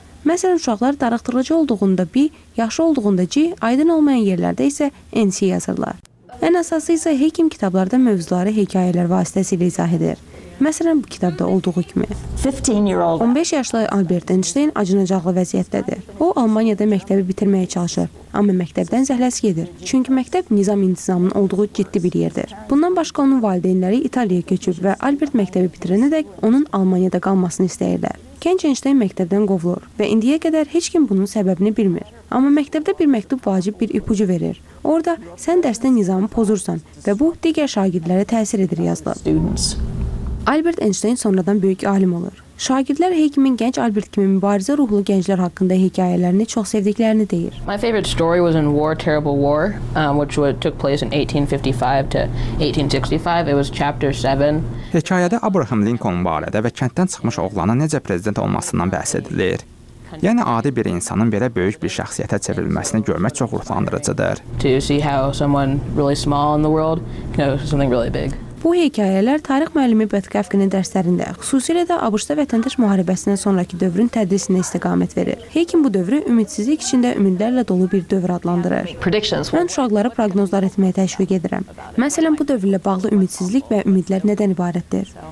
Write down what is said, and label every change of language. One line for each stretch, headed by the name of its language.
Azerbaijani: Məsələn, uşaqlar darıxdırıcı olduğunda B, yaxşı olduğunda C, aydın olmayan yerlərdə isə NC yazırlar. Ən əsası isə Hakim kitablarda mövzuları hekayələr vasitəsilə izah edir. Məsələn, bu kitabda olduğu kimi. 15 yaşlı Albert Einstein acınacaqlı vəziyyətdədir. O, Almaniyada məktəbi bitirməyə çalışır, amma məktəbdən zəhləsi gedir. Çünki məktəb nizam-intizamın olduğu ciddi bir yerdir. Bundan başqa onun valideynləri İtaliyaya köçür və Albert məktəbi bitirənədək onun Almaniyada qalmasını istəyirlər. Kənc Einstein məktəbdən qovulur və indiyə qədər heç kim bunun səbəbini bilmir. Amma məktəbdə bir məktub vacib bir ipucu verir. Orada sən dərsdə nizamı pozursan və bu digər şagirdlərə təsir edir yazılır. Albert Einstein sonradan böyük alim olur. Şagirdlər Hakimin gənc Albert kimi mübarizə ruhlu gənclər haqqında hekayələrini çox sevdiklərini deyir.
English: My favorite story was in War, Terrible War, which took place in 1855 to 1865. It was chapter 7.
Azerbaijani: Hekayədə Abraham Lincoln barədə və kənddən çıxmış oğlanın necə prezident olmasından bəhs edilir. Yəni, adi bir insanın belə böyük bir şəxsiyyətə çevrilməsini görmək çox ruhlandırıcıdır.
English: To see how someone really small in the world knows something really big.
Azerbaijani: Bu hekayələr tarix müəllimi Bətkafqinin dərslərində, xüsusilə də ABŞ-da vətəndaş müharibəsindən sonrakı dövrün tədrisində istiqamət verir. Həkim bu dövrü ümidsizlik içində ümidlərlə dolu bir dövr adlandırır. Mən uşaqlara proqnozlar etməyə təşviq edirəm. Məsələn, bu dövrlə bağlı ümidsizlik və ümidlər nədən ibarətdir?